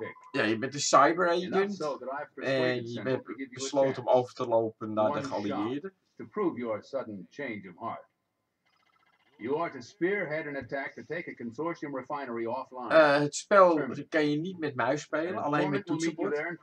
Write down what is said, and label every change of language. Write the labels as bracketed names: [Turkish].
[Dutch] Ja, je bent een cyber agent en je bent besloten om over te lopen naar de geallieerden. [English] To prove your sudden change of heart. You are to spearhead an attack to take a consortium refinery offline. [Dutch] Het spel kan je niet met muis spelen, alleen met toetsenbord.